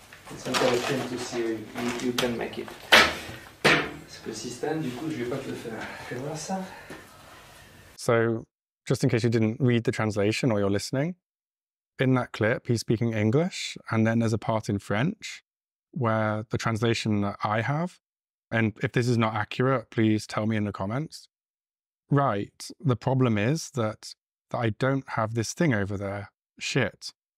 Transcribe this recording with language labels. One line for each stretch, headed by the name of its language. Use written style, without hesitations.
English: It's intéressant to see if you can make it.
French: Parce que si Stan, du coup, je vais pas te le faire. Fais voir ça.
English: So, just in case you didn't read the translation or you're listening, in that clip, he's speaking English, and then there's a part in French where the translation that I have, and if this is not accurate, please tell me in the comments. Right, the problem is that I don't have this thing over there. Shit.